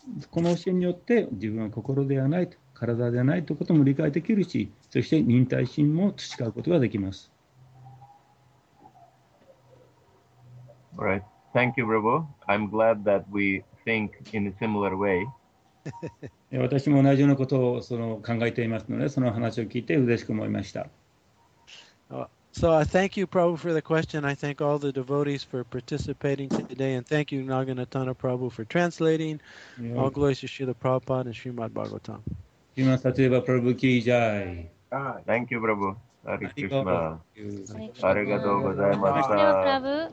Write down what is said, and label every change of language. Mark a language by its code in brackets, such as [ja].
[ja] この教えによって自分は心ではないと体ではないということも理解できるし、そして忍耐心も培うことができます。 [en] All right. Thank you, Prabhu. I'm glad that we think in a similar way. [ja] 私も同じようなことをその考えていますので、その話を聞いて嬉しく思いました。 [en] So I thank you, Prabhu, for the question. I thank all the devotees for participating today. And thank you, Naganatana Prabhu, for translating. Yeah. All glories to Srila Prabhupada and Srimad Bhagavatam. Srimad Satyadeva Prabhu Ki Jai. Thank you, Prabhu. Hare Krishna. [ja] Arigato gozaimasu.